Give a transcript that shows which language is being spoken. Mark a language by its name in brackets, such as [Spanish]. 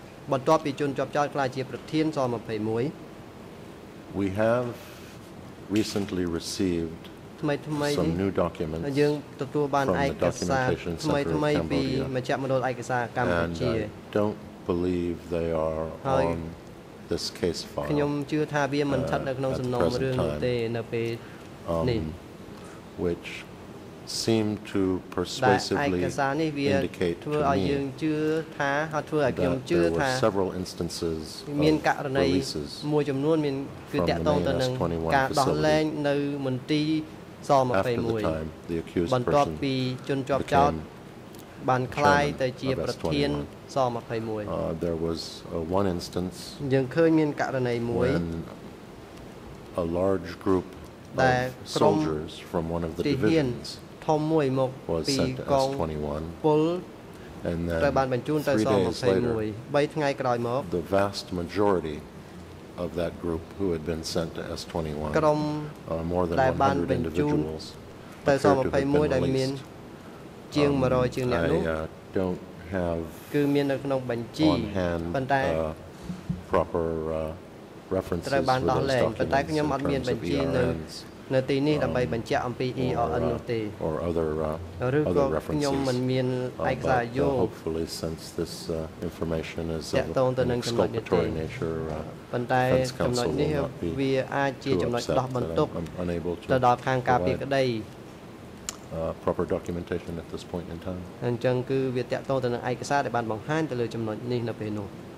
[English] We have recently received some new documents from the Documentation Center of Cambodia, and I don't believe they are on this case file. [Khmer] ខ្ញុំ ជឿ ថា វា មិន ស្ថិត នៅ ក្នុង សំណុំ រឿង នោះ ទេ នៅ ពេល នេះ [English] which seem to persuasively indicate to me [Khmer] ឲ្យ យើង ជឿ ថា ហើយ ធ្វើ ឲ្យ ខ្ញុំ ជឿ ថា [English] several instances [Khmer] មាន ករណី មួយ ចំនួន មាន គឺ ទាក់ទង ទៅ នឹង ការ ដោះ លែង នៅ មន្ទីរ ស 21 បន្ទាប់ ពី ជន ជាប់ ចោត បាន ក្លាយ ទៅ ជា ប្រធាន ស 21 [English] there was one instance [Khmer] យើង ឃើញ មាន ករណី មួយ [English] a large group of soldiers from one of the divisions was sent to S-21 and then 3 days later the vast majority of that group who had been sent to S-21 more than 100 individuals appeared to have been released. I don't have on hand proper references for those documents in terms of ERNs [Khmer] នៅ ទី នេះ ដើម្បី បញ្ជាក់ អំពី EON នោះ ទេ ឬក៏ ខ្ញុំ មិន មាន ឯកសារ យោ [English] hopefully since this information is of an exculpatory nature [Khmer] ប៉ុន្តែ ចំណុច នេះ វា អាច ជា ចំណុច ដោះ បន្ទុក ទៅ ដល់ ខាង ការពារ ក្តី [English] proper documentation at this point in time [Khmer] អញ្ចឹង គឺ វា តាក់ទង ទៅ នឹង ឯកសារ ដែល បាន បង្ហាញ ទៅ លើ ចំណុច នេះ នៅ ពេល នោះ